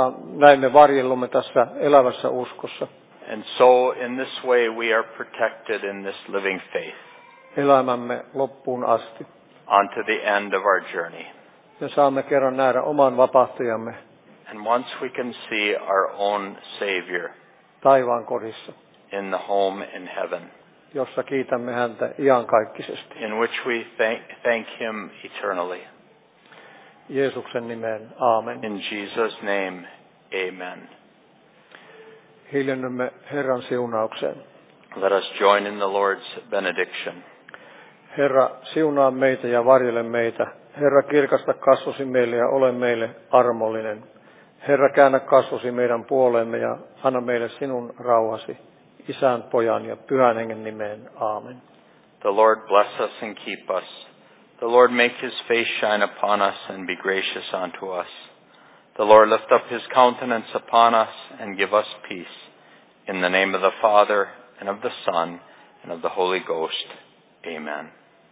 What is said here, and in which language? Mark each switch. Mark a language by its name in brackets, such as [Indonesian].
[Finnish] Näin me varjellumme tässä elävässä uskossa. [English] And so in this way we are protected in this living faith. [Finnish] Elämämme loppuun asti. [English] Unto the end of our journey. [Finnish] Ja saamme kerran nähdä oman vapahtajamme. [English] And once we can see our own Savior. [Finnish] Taivaan kodissa. [English] In the home in heaven. [Finnish] Jossa kiitämme häntä iankaikkisesti. [English] In which we thank him eternally. [Finnish] Jeesuksen nimeen, aamen. [English] In Jesus' name, amen. [Finnish] Hiljennymme Herran siunaukseen. [English] Let us join in the Lord's benediction. [Finnish] Herra, siunaa meitä ja varjele meitä. Herra, kirkasta kasvosi meille ja ole meille armollinen. Herra, käännä kasvosi meidän puoleemme ja anna meille sinun rauhasi. Isän, Pojan ja Pyhän Hengen nimeen, aamen. [English] The Lord bless us and keep us. The Lord make his face shine upon us and be gracious unto us. The Lord lift up his countenance upon us and give us peace. In the name of the Father, and of the Son, and of the Holy Ghost. Amen.